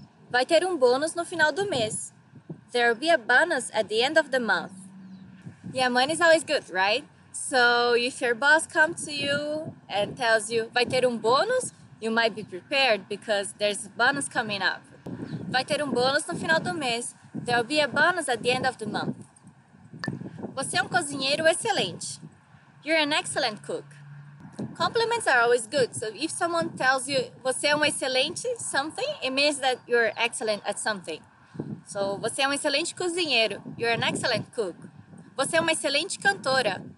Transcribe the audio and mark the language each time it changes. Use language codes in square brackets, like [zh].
[pt] Vai ter bônus no final do mês. [en] There will be a bonus at the end of the month. Yeah, money is always good, right? So if your boss comes to you and tells you, [pt] vai ter bônus, [en] you might be prepared because there's a bonus coming up. [pt] vai ter um bônus no final do mês. [en] There will be a bonus at the end of the month. [pt] Você é um cozinheiro excelente. [en] You're an excellent cook. Compliments are always good, so if someone tells you [pt] você é um excelente [en] something, it means that you're excellent at something. [pt] So, você é um excelente cozinheiro. [en] You're an excellent cook. [pt] Você é uma excelente cantora.